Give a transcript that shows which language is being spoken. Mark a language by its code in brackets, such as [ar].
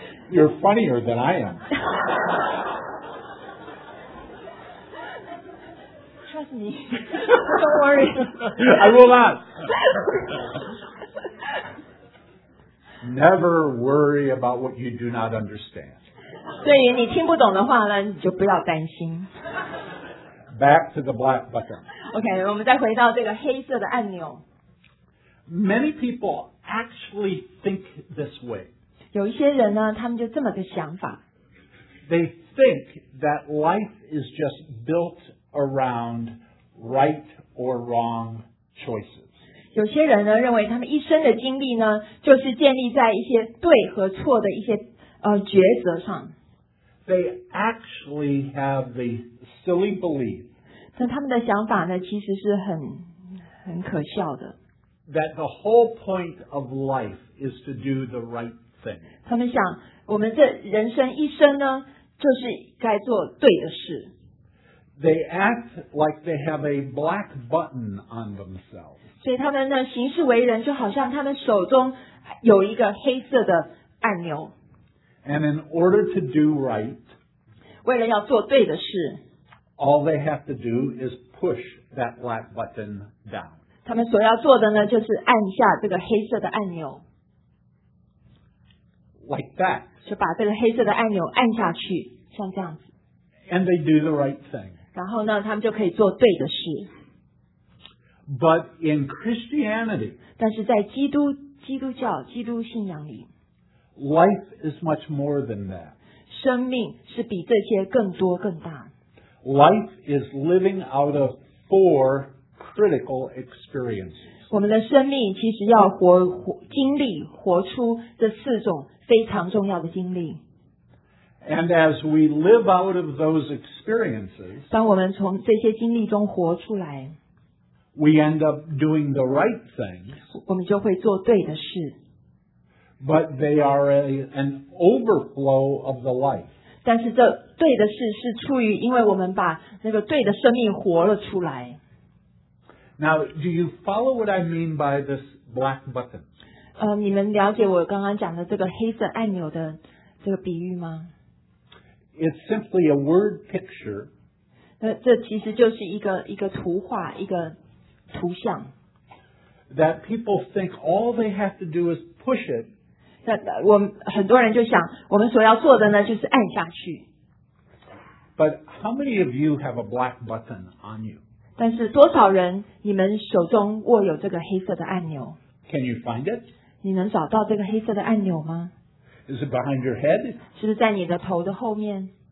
[en] You're funnier than I am. Trust me. Don't worry. I will not. Never worry about what you do not understand. [zh] 对于你听不懂的话呢，你就不要担心。 [en] Back to the black button. [zh] Okay, 我们再回到这个黑色的按钮。 [en] Many people actually think this way. [zh] 有一些人呢，他们就这么个想法。 [en] They think that life is just built around right or wrong choices. [zh] 有些人呢认为他们一生的经历呢就是建立在一些对和错的一些抉择上。 [en] They actually have the silly belief. [zh] 但他们的想法呢其实是很可笑的。 [en] That the whole point of life is to do the right thing. [zh] 他们想我们这人生一生呢就是该做对的事。 [en] They act like they have a black button on themselves. [zh] 所以他们呢行事为人就好像他们手中有一个黑色的按钮。 [en] And in order to do right, [zh] 为了要做对的事, [en] all they have to do is push that black button down. [zh] 他们所要做的呢就是按下这个黑色的按钮。 [en] Like that. [zh] 就把这个黑色的按钮按下去,像这样子。 [en] And they do the right thing. [zh] 然后呢，他们就可以做对的事。 [en] But in Christianity, [zh] 但是在基督教、基督信仰里 [en] ，life is much more than that. [zh] 生命是比这些更多更大。 [en] Life is living out of four critical experiences. [zh] 我们的生命其实要活经历活出这四种非常重要的经历。 [en] And as we live out of those experiences, [zh] 当我们从这些经历中活出来 [en] we end up doing the right things, [zh] 我们就会做对的事。 [en] But they are an overflow of the life. [zh] 但是这对的事是出于因为我们把那个对的生命活了出来。 [en] Now, do you follow what I mean by this black button? [zh] 你们了解我刚刚讲的这个黑色按钮的这个比喻吗？ [en] It's simply a word picture. [zh] 这其实就是一个图画，一个图像。 [en] That people think all they have to do is push it. [zh] 很多人就想，我们所要做的呢，就是按下去。 [en] But how many of you have a black button on you? [zh] 但是多少人，你们手中握有这个黑色的按钮？ [en] Can you find it? [zh] 你能找到这个黑色的按钮吗？ [en] Is it behind your head? [zh] 是不是在你的头的后面？